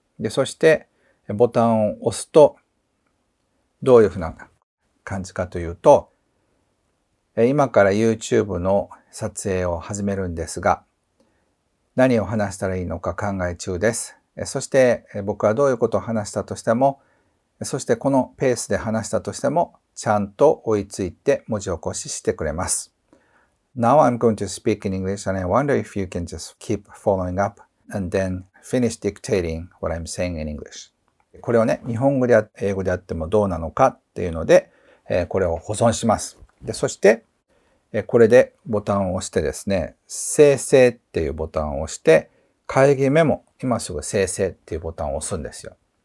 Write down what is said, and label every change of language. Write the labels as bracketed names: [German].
[Japanese] で、そして、ボタンを押すと、どういうふうな感じかというと、今から YouTube の撮影を始めるんですが、何を話したらいいのか考え中です。そして僕はどういうことを話したとしても、そしてこのペースで話したとしても、ちゃんと追いついて文字起こししてくれます。 [English] Now I'm going to speak in English and I wonder if you can just keep following up and then finish dictating what I'm saying in English. [Japanese] これをね、日本語で英語であってもどうなのかっていうので、これを保存します。で、そして、これでボタンを押してですね、生成っていうボタンを押して、会議メモ、今すぐ生成っていうボタンを押すんですよ。